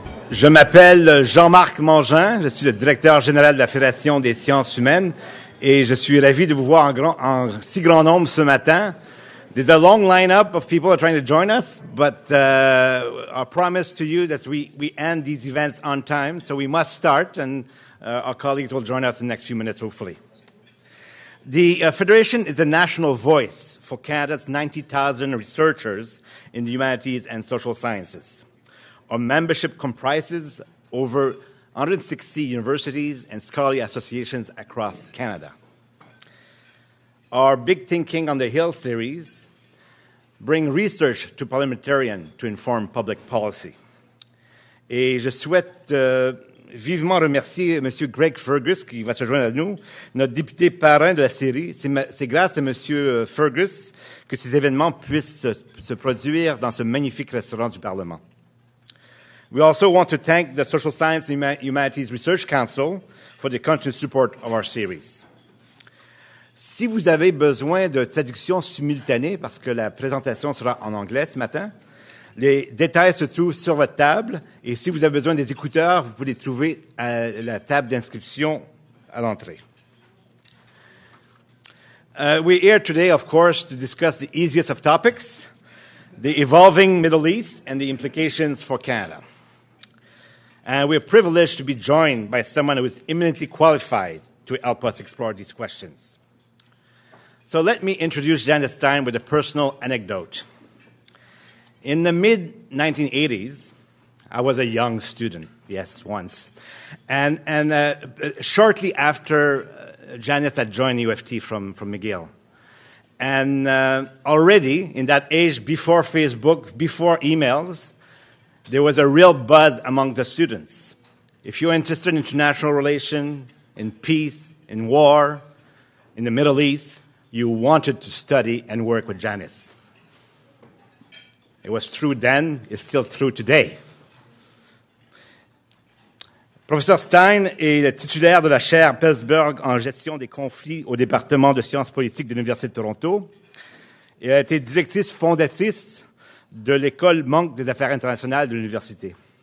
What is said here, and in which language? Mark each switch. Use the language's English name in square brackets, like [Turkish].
[French] Je m'appelle Jean-Marc Mangin, je suis le directeur général de la Fédération des sciences humaines et je suis ravi de vous voir en si grand nombre ce matin. [English] There's a long lineup of people that are trying to join us, but our promise to you that we end these events on time, so we must start, and our colleagues will join us in the next few minutes, hopefully. The Federation is a national voice for Canada's 90,000 researchers in the humanities and social sciences. Our membership comprises over 160 universities and scholarly associations across Canada. Our Big Thinking on the Hill series bring research to parliamentarians to inform public policy. [French] Et je souhaite vivement remercier M. Greg Fergus, qui va se joindre à nous, notre député parrain de la série. C'est grâce à M. Fergus que ces événements puissent se produire dans ce magnifique restaurant du Parlement. [English] We also want to thank the Social Science and Humanities Research Council for the continued support of our series. [French] Si vous avez besoin de traduction simultanée, parce que la présentation sera en anglais ce matin, les détails se trouvent sur votre table, et si vous avez besoin des écouteurs, vous pouvez les trouver à la table d'inscription à l'entrée. [English] We're here today, of course, to discuss the easiest of topics, the evolving Middle East and the implications for Canada. And we're privileged to be joined by someone who is eminently qualified to help us explore these questions. So let me introduce Janice Stein with a personal anecdote. In the mid-1980s, I was a young student, yes, once, and shortly after Janice had joined UFT from McGill. And already, in that age, before Facebook, before emails, there was a real buzz among the students. If you're interested in international relations, in peace, in war, in the Middle East, you wanted to study and work with Janice. It was true then, it's still true today. [French] Professeur Stein est le titulaire de la chaire Belzberg en gestion des conflits au département de sciences politiques de l'Université de Toronto. Il a été directrice fondatrice de l'école Munk des affaires internationales de l'Université.